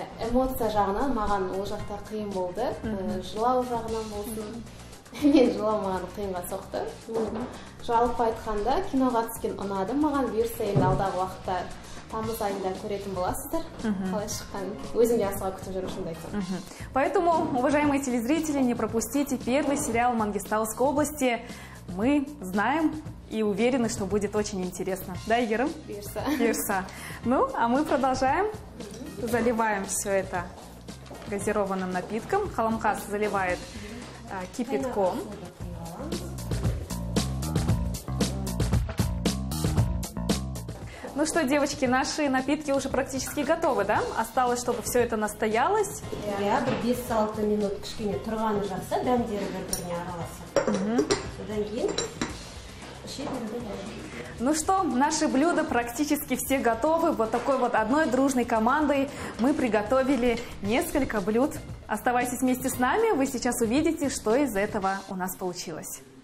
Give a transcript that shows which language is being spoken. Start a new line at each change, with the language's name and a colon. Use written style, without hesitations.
Kazakh: Эмоция жағынан маған ол жақта қиын болды. Жылау жағынан болды. Мен жыламаған қиынға соқты. Жалпы айтқанда, киноға түскен ұнады. Маған бұйырса енді алдағы уақытта тамыз айында көретін боласыздар. Қалай шыққан. Өзімде асыға күтіп жүр үшінді айтам.
Russian: Поэтому, уважаемые телезрители, не пропустите первый сериал Мангистауской области. Мы знаем и уверены, что будет очень интересно. Да, Игорь?
Kazakh: Бұйырса.
Russian: Ну, а мы продолжаем. Заливаем все это газированным напитком. Халамхас заливает кипятком. Ну что, девочки, наши напитки уже практически готовы, да? Осталось, чтобы все это настоялось. Я бы 5-6 минут
Kazakh: кишкине тұрған жақсы, дәмдері бір-біріне араласа. Содан кейін.
Russian: Ну что, наши блюда практически все готовы. Вот такой вот одной дружной командой мы приготовили несколько блюд. Оставайтесь вместе с нами, вы сейчас увидите, что из этого у нас получилось.